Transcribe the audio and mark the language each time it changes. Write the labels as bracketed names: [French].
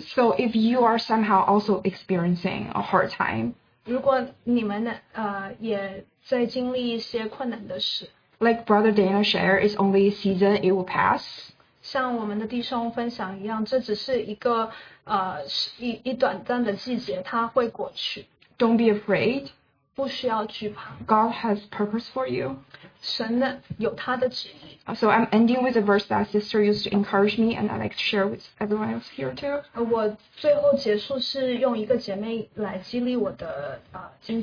[English] So if you are somehow also experiencing a hard time, [Chinese] 如果你们也在经历一些困难的事 [English] ，like Brother Dana shared, it's only a season, it will pass. [Chinese] 像我们的弟兄分享一样，这只是一个一短暂的季节，它会过去。 [English] Don't be afraid. [Chinese] 不需要惧怕。 [English] God has purpose for you. [Chinese] 神的有他的旨意。 [English] So I'm ending with a verse that sister used to encourage me, and I'd like to share with everyone else here too. [Chinese] 我最后结束是用一个姐妹来激励我的经